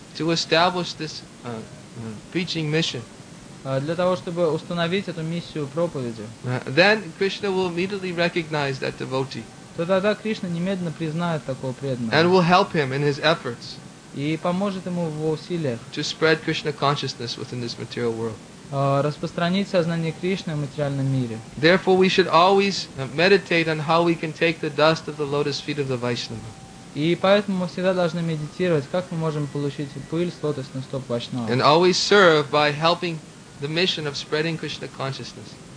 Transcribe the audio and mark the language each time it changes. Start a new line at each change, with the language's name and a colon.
English: to establish this preaching mission,
Russian: для того чтобы установить эту миссию проповеди,
English: then Krishna will immediately recognize that devotee.
Russian: То тогда Кришна немедленно признает такого преданного.
English: And will help him in his efforts.
Russian: И поможет ему в его усилиях.
English: To spread Krishna consciousness within this material world.
Russian: Распространить сознание Кришны в материальном мире.
English: Therefore, we should always meditate on how we can take the dust of the lotus feet of the Vaishnava.
Russian: И поэтому мы всегда должны медитировать, как мы можем получить пыль с лотосных стоп Вайшнава.
English: And always serve by helping the mission of spreading Krishna consciousness.